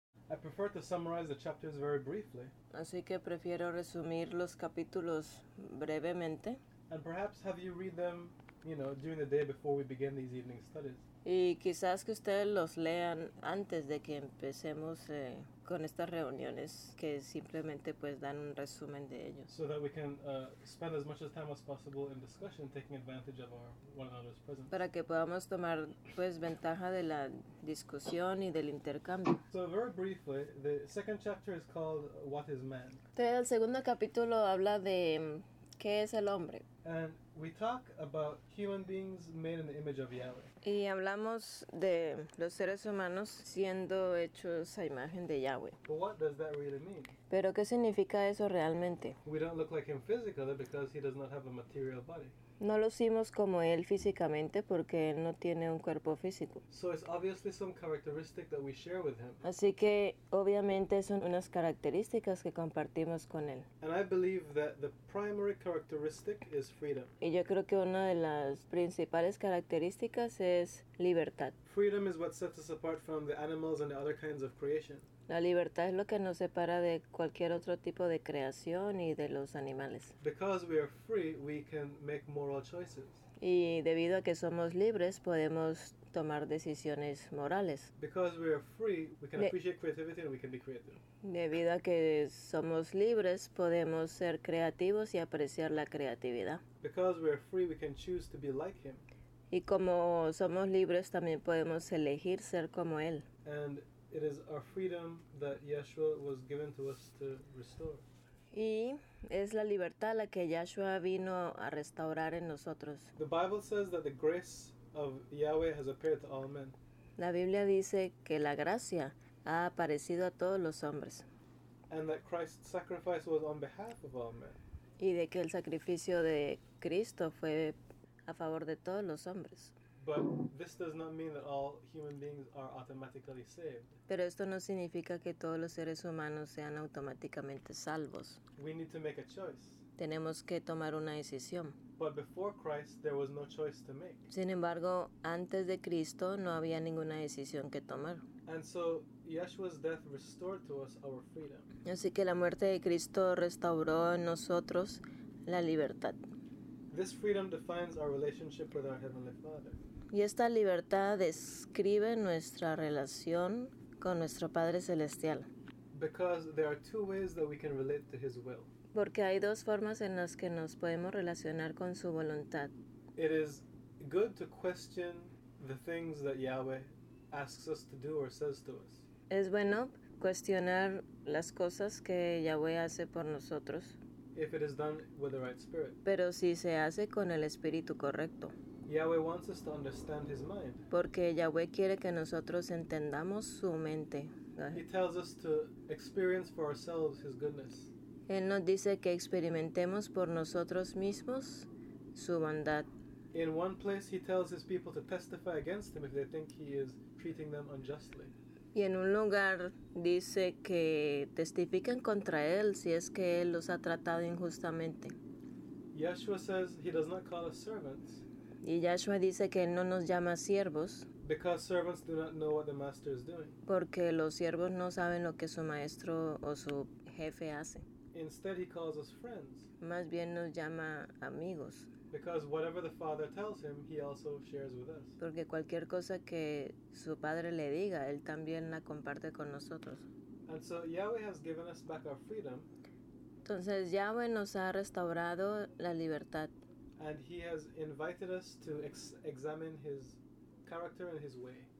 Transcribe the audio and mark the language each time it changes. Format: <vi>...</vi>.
<en>I prefer to summarize the chapters very briefly.</en> <es>Así que prefiero resumir los capítulos brevemente.</es> <en>And perhaps have you read them, you know, during the day before we begin these evening studies.</en> <es>Y quizás que ustedes los lean antes de que empecemos con estas reuniones, que simplemente pues dan un resumen de ellos.</es> <en>So that we can spend as much time as possible in discussion, taking advantage of our one another's presence.</en> <es>Para que podamos tomar pues ventaja de la discusión y del intercambio.</es> <en>So very briefly, the second chapter is called What is Man?</en> <es>Entonces el segundo capítulo habla de ¿qué es el hombre?</es> <en>And we talk about human beings made in the image of Yahweh.</en> <es>Y hablamos de los seres humanos siendo hechos a imagen de Yahweh.</es> <en>But what does that really mean?</en> <es>¿Pero qué significa eso realmente?</es> <en>We don't look like him physically because he does not have a material body.</en> <es>No lucimos como él físicamente porque él no tiene un cuerpo físico.</es> <en>So it's obviously some characteristic that we share with him.</en> <es>Así que obviamente son unas características que compartimos con él.</es> <en>And I believe that the primary characteristic is freedom.</en> <es>Y yo creo que una de las principales características es libertad.</es> <en>Freedom is what sets us apart from the animals and the other kinds of creation.</en> <es>La libertad es lo que nos separa de cualquier otro tipo de creación y de los animales.</es> <en>Because we are free, we can make moral choices.</en> <es>Y debido a que somos libres, podemos tomar decisiones morales.</es> <en>Because we are free, we can appreciate creativity and we can be creative.</en> <es>Debido a que somos libres, podemos ser creativos y apreciar la creatividad.</es> <en>Because we are free, we can choose to be like him.</en> <es>Y como somos libres, también podemos elegir ser como él.</es> <en>And it is our freedom that Yeshua was given to us to restore.</en> <es>Y es la libertad la que Yeshua vino a restaurar en nosotros.</es> <en>The Bible says that the grace of Yahweh has appeared to all men.</en> <es>La Biblia dice que la gracia ha aparecido a todos los hombres.</es> <en>And that Christ's sacrifice was on behalf of all men.</en> <es>Y de que el sacrificio de Cristo fue a favor de todos los hombres.</es> <en>But this does not mean that all human beings are automatically saved.</en> <es>Pero esto no significa que todos los seres humanos sean automáticamente salvos.</es> <en>We need to make a choice.</en> <es>Tenemos que tomar una decisión.</es> <en>But before Christ, there was no choice to make.</en> <es>Sin embargo, antes de Cristo no había ninguna decisión que tomar.</es> <en>And so Yeshua's death restored to us our freedom.</en> <es>Así que la muerte de Cristo restauró en nosotros la libertad.</es> <en>This freedom defines our relationship with our Heavenly Father.</en> <es>Y esta libertad describe nuestra relación con nuestro Padre Celestial.</es> <en>Because there are two ways that we can relate to His will.</en> <es>Porque hay dos formas en las que nos podemos relacionar con su voluntad.</es> <en>It is good to question the things that Yahweh asks us to do or says to us.</en> <es>Es bueno cuestionar las cosas que Yahweh hace por nosotros.</es> <en>If it is done with the right spirit.</en> <es>Pero si se hace con el espíritu correcto.</es> <en>Yahweh wants us to understand his mind.</en> <es>Porque Yahweh quiere que nosotros entendamos su mente.</es> <en>He tells us to experience for ourselves his goodness.</en> <es>Él nos dice que experimentemos por nosotros mismos su bondad.</es> <en>In one place he tells his people to testify against him if they think he is treating them unjustly.</en> <es>Y en un lugar dice que testifiquen contra él si es que él los ha tratado injustamente.</es> <en>Yeshua says he does not call us servants.</en> <es>Y Yeshua dice que él no nos llama siervos.</es> <en>Because servants do not know what the master is doing.</en> <es>Porque los siervos no saben lo que su maestro o su jefe hace.</es> <en>Instead, he calls us friends.</en> <es>Más bien nos llama amigos.</es> <en>Because whatever the father tells him, he also shares with us.</en> <es>Porque cualquier cosa que su padre le diga, él también la comparte con nosotros.</es> <en>And so Yahweh has given us back our freedom.</en> <es>Entonces Yahweh nos ha restaurado la libertad.</es> <en>And he has invited us to examine his character and his way.</en>